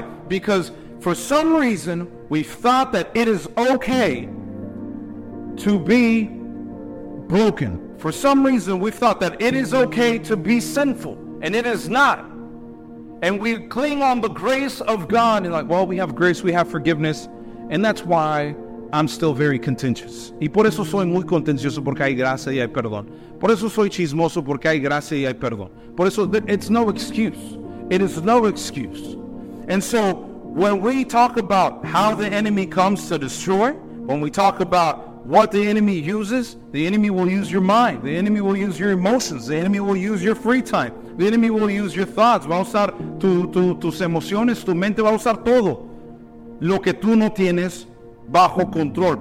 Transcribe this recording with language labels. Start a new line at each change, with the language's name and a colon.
English: Because for some reason, we thought that it is okay to be broken. For some reason, we thought that it is okay to be sinful, and it is not. And we cling on the grace of God, and like, well, we have grace, we have forgiveness, and that's why I'm still very contentious.
Spanish: Y por eso soy muy contencioso, porque hay gracia y hay perdón. Por eso soy chismoso, porque hay gracia y hay perdón. Por eso,
English: it's no excuse. It is no excuse. And so, when we talk about how the enemy comes to destroy, when we talk about what the enemy uses, the enemy will use your mind. The enemy will use your emotions. The enemy will use your free time. The enemy will use your thoughts.
Spanish: Va a usar tus emociones, tu mente, va a usar todo lo que tú no tienes bajo control.